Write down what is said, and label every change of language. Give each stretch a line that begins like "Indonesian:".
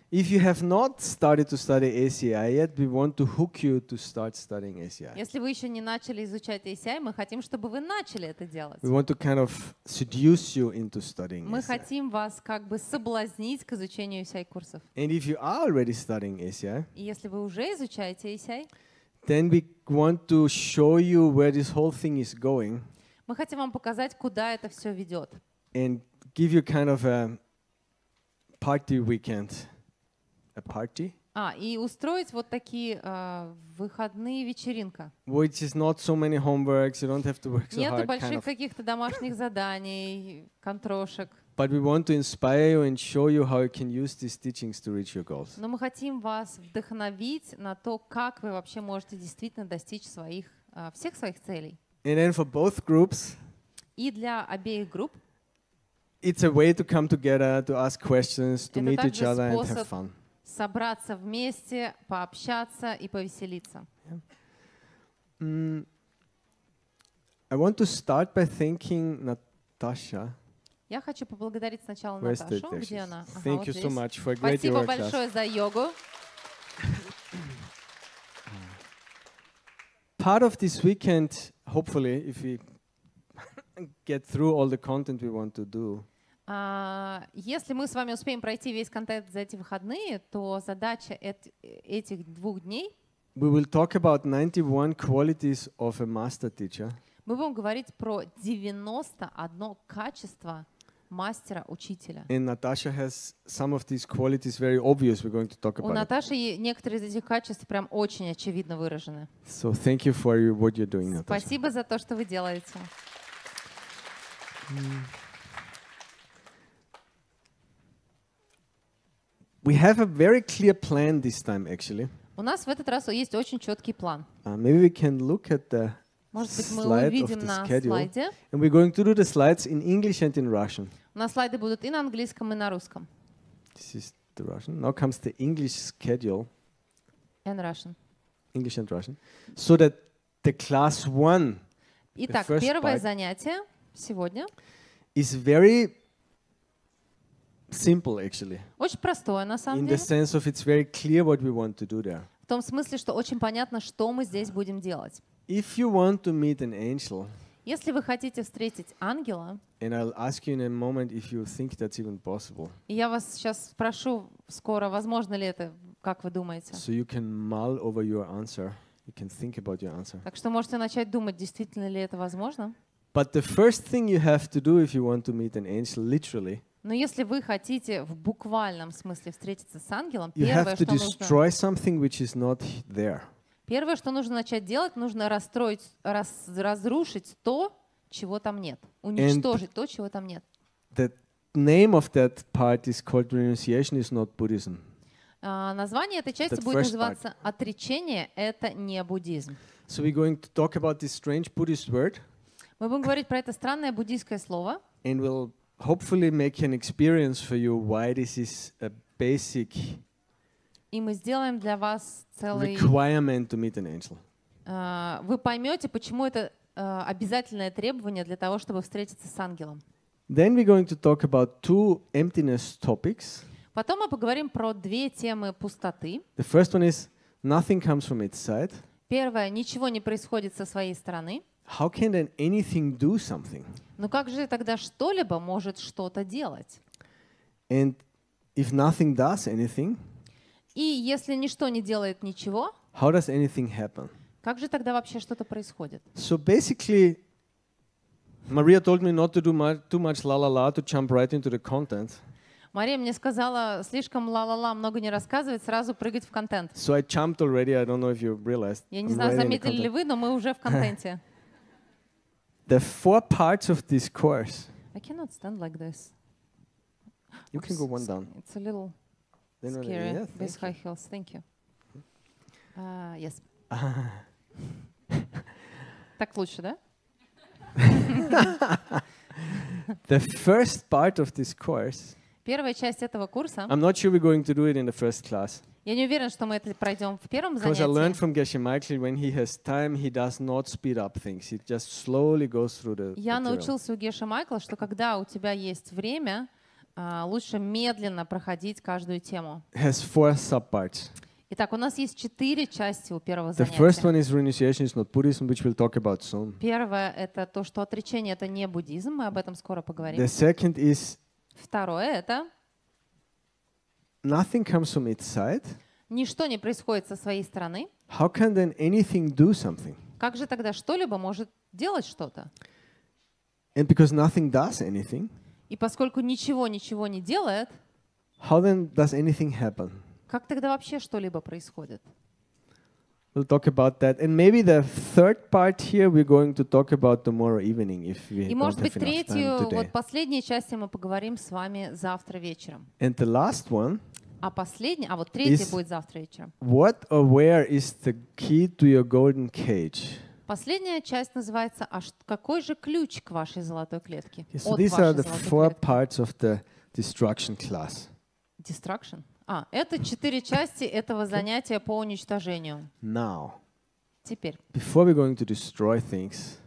English: If you have not started to study ACI yet, we want to hook you to start studying ACI.
Russian: Если вы еще не начали изучать ACI, мы хотим, чтобы вы начали это делать.
English: We want to kind of seduce you into studying ACI.
Russian: Мы хотим вас как бы соблазнить к изучению ACI курсов.
English: And if you are already studying ACI,
Russian: и если вы уже изучаете ACI,
English: then we want to show you where this whole thing is going.
Russian: Мы хотим вам показать, куда это все ведет.
English: And give you kind of a party weekend. A party?
Russian: А, и устроить вот такие выходные вечеринка.
English: Which is not so many homeworks, you don't have to work so
Russian: Нету
English: hard.
Russian: Нету больших каких-то домашних заданий, контрошек.
English: But we want to inspire you and show you how you can use these teachings to reach your goals.
Russian: Но мы хотим вас вдохновить на то, как вы вообще можете действительно достичь своих всех своих целей.
English: And then for both groups.
Russian: И для обеих групп.
English: It's a way to come together, to ask questions, to meet each other and have fun.
Russian: Собраться вместе, пообщаться и повеселиться.
English: Yeah. I want to start by thanking Natasha.
Russian: Я хочу поблагодарить сначала Наташу. Где она?
English: Thank you so much for a great workout.
Russian: Спасибо большое за йогу.
English: Part of this weekend, hopefully, if we get through all the content we want to do.
Russian: Если мы с вами успеем пройти весь контент за эти выходные, то задача этих двух дней.
English: We will talk about 91 qualities of a master teacher.
Russian: Мы будем говорить про 91 качество мастера-учителя.
English: And Natasha has some of these qualities very obvious. We're going to talk about.
Russian: У Наташи некоторые из этих качеств прям очень очевидно выражены.
English: So thank you for what you're doing, Natasha.
Russian: Спасибо за то, что вы делаете.
English: We have a very clear plan this time, actually.
Russian: У нас в этот раз есть очень четкий план.
English: Maybe we can look at the slide of the schedule. And we're going to do the slides in English and in Russian.
Russian: У нас слайды будут и на английском, и на русском.
English: This is the Russian. Now comes the English schedule. And Russian. English and Russian. So that the class one.
Russian: Итак,
English: the first
Russian: первое занятие сегодня.
English: Is very simple, actually.
Russian: Очень простое, на самом
English: In
Russian: деле.
English: The sense of it's very clear what we want to do there.
Russian: В том смысле, что очень понятно, что мы здесь будем делать.
English: If you want to meet an angel.
Russian: Если вы хотите встретить ангела.
English: And I'll ask you in a moment if you think that's even possible.
Russian: Я вас сейчас спрошу скоро, возможно ли это, как вы думаете?
English: So you can mull over your answer. You can think about your answer.
Russian: Так что можете начать думать, действительно ли это возможно?
English: But the first thing you have to do if you want to meet an angel literally.
Russian: Но если вы хотите в буквальном смысле встретиться с ангелом,
English: you
Russian: первое, что
English: destroy something which is not there.
Russian: Первое, что нужно начать делать, нужно разрушить то, чего там нет. Уничтожить
English: And
Russian: то, чего там нет.
English: The name of that part is called renunciation, is not Buddhism.
Russian: Название этой части
English: that
Russian: будет называться отречение, это не буддизм.
English: So we're going to talk about this strange Buddhist word.
Russian: Мы будем говорить про это странное буддийское слово.
English: And we'll hopefully make an experience for you why this is a basic
Russian: И мы сделаем для вас целый
English: requirement to meet an angel.
Russian: Вы поймете, почему это обязательное требование для того, чтобы встретиться с ангелом.
English: Then we're going to talk about two emptiness topics.
Russian: Потом мы поговорим про две темы пустоты.
English: The first one is nothing comes from its side.
Russian: Первое, ничего не происходит со своей стороны.
English: How can then anything do something?
Russian: Ну как же тогда что-либо может что-то делать?
English: And if nothing does anything,
Russian: и если ничто не делает ничего,
English: how does anything happen?
Russian: Как же тогда вообще что-то происходит?
English: So basically, Maria told me not to do too much la-la-la, to jump right into the content.
Russian: Мария мне сказала слишком ла-ла-ла, много не рассказывать, сразу прыгать в контент.
English: So I jumped already. I don't know if you realized.
Russian: Я не знаю, заметили ли вы, но мы уже в контенте.
English: The four parts of this course. I cannot stand like this. You can go one down. It's a little then scary. Really, yeah, with high heels. Thank you. Yes.
Russian: Так лучше, да?
English: The first part of this course.
Russian: Первая часть этого курса.
English: I'm not sure we're going to do it in the first class.
Russian: Я не уверен, что мы это пройдем в первом занятии.
English: Because I learned from Geshe Michael, when he has time, he does not speed up things. He just slowly goes through the.
Russian: Я научился у Геши Майкла, что когда у тебя есть время, лучше медленно проходить каждую тему.
English: Has four subparts.
Russian: Итак, у нас есть четыре части у первого занятия.
English: The first one is renunciation, is not Buddhism, which we'll talk about soon.
Russian: Первое это то, что отречение это не буддизм, мы об этом скоро поговорим.
English: The second is.
Russian: Второе это.
English: Nothing comes from its side.
Russian: Ничто не происходит со своей стороны.
English: How can then anything do something?
Russian: Как же тогда что-либо может делать что-то?
English: And because nothing does anything.
Russian: И поскольку ничего не делает.
English: How then does anything happen?
Russian: Как тогда вообще что-либо происходит?
English: We'll talk about that. And maybe the third part here we're going to talk about tomorrow evening if we
Russian: И может быть третью, вот последней части мы поговорим с вами завтра вечером.
English: And the last one
Russian: А последний, а вот третий будет завтра вечером.
English: What or where is the key to your golden cage?
Russian: Последняя часть называется «А какой же ключ к вашей золотой клетке?»
English: Yeah, so these are the four
Russian: клетки.
English: Parts of the destruction class. Destruction?
Russian: А, это четыре части этого занятия по уничтожению.
English: Now.
Russian: Теперь.
English: Before we're going to destroy things.